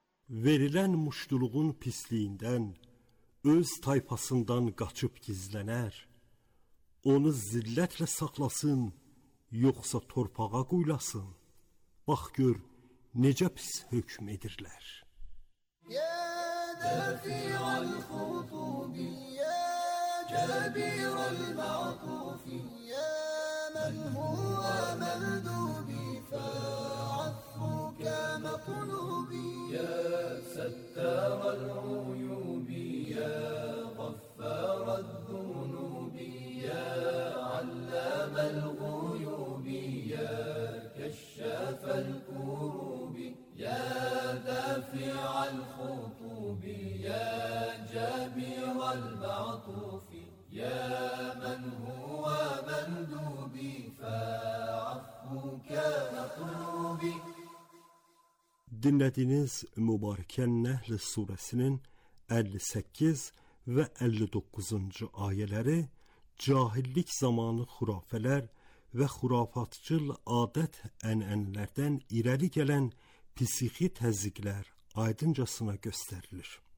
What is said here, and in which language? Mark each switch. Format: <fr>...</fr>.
<az>Verilən muştuluğun pisliyindən öz tayfasından qaçıb gizlənər, onu zillətlə saxlasın, yoxsa torpağa qoylasın, bax gör necə pis hökm edirlər.</az> <ar>Yə dəfiəl xutubi, yə cəbirəl məqufi, yə mən huvə məldubi, fəəffukə məqlubi. يا ستار العيوب يا غفار الذنوب يا علام الغيوب يا كشاف الكروب يا دافع الخطوب يا جابر المعطوف يا من هو مندوب فعفوك مطلوب.</ar> <az>Dinlədiyiniz Mübarəkə Nəhl surəsinin 58 və 59-cu ayələri cahillik zamanı xurafələr və xurafatçıl adət ənənələrdən irəli gələn psixi təzyiqlər aydıncasına göstərilir.</az>